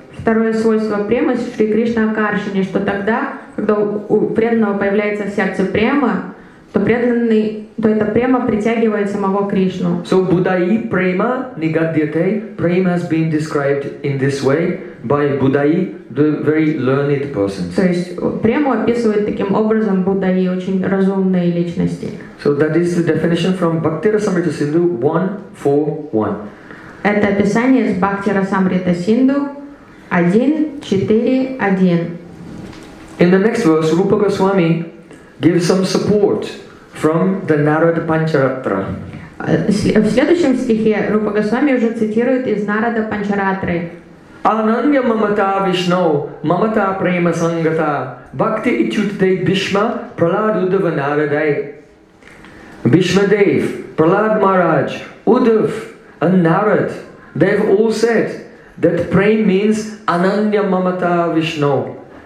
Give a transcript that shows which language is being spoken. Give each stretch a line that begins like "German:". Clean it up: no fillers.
Russian: Второе свойство премы Шри Кришна Акаршини, что тогда, когда у преданного появляется в сердце према, то преданный, то эта према притягивает самого Кришну.
Sanskrit: So Buddhai prema nigadyate.
English: Prema has been described in this way by Buddhai, the very learned person.
Russian: То есть прему описывает таким образом Буддаи, очень разумные личности.
English: So that is the definition from Bhaktirasamrita Sindhu 1.4.1.
Russian: Это описание из Бхактирасамрита Синду 1.4.1.
English: In the next verse, Rupa Goswami gives some support from the Narada Pancharatra.
Russian: В следующем стихе Рупа Госвами уже цитирует из Нарада Панчаратры.
Sanskrit: Ананья мамата вишнау, мамата према сангата, бхакти ичутдей бишма пралад удава нарадай.
English: Бишмадев, пралад марадж, удав, and Narad, they've all said that prema means
Sanskrit: ананья мамата вишнау.